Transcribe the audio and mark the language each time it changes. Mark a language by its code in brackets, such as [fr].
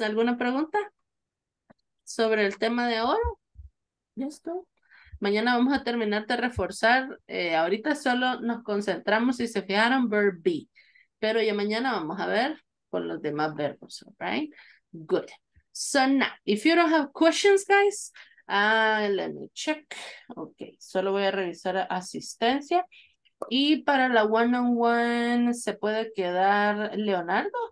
[es] ¿Alguna pregunta sobre el tema de ahora? [en] Yes, go. [es] Mañana vamos a terminar de reforzar. Ahorita solo nos concentramos, si se fijaron, verb be. Pero ya mañana vamos a ver con los demás verbos, alright? [en] Good. So now, if you don't have questions, guys, let me check. [es] Okay, solo voy a revisar asistencia. Y para la one-on-one, ¿se puede quedar Leonardo?